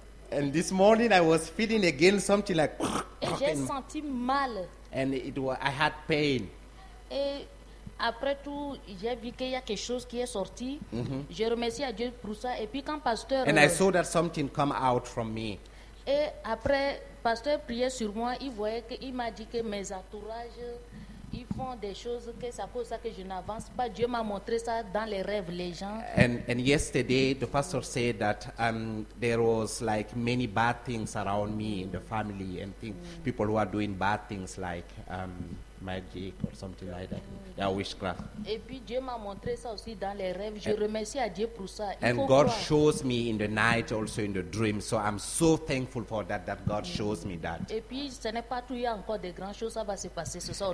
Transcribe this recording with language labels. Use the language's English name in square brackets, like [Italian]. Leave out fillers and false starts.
[English] And this morning I was feeling again something like. [French] Et j'ai senti mal. [English] And I had pain. [French] Et après tout, j'ai vu qu'il y a quelque chose qui est sorti. Mm-hmm. Je remercie à Dieu pour ça. Et puis quand pasteur. [English] And I saw that something come out from me. [French] Et après, pasteur priait sur moi. Il voyait que il m'a dit que mes entourages. Ils font des choses que ça cause ça que je n'avance pas. Dieu m'a montré ça dans les rêves, les gens. [English] And yesterday the pastor said that there was like many bad things around me in the family and things. Mm. People who are doing bad things like magic or something like that. Mm. Yeah, witchcraft. [French] Et puis Dieu m'a montré ça aussi dans les rêves. Je remercie à Dieu pour ça. [English] And God shows me in the night also in the dream. So I'm so thankful for that God shows me that. [French] Et puis ce n'est pas tout, il y a encore des grandes choses, ça va se passer ce soir.